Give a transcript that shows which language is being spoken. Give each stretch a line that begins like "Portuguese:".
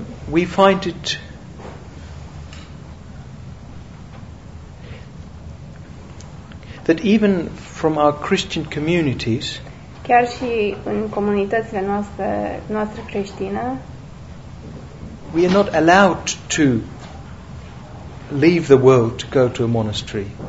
English: we find it that even from our Christian communities,
Romanian: chiar și în comunitățile noastre, noastre creștine,
English: we are not allowed to leave the world to go to a monastery.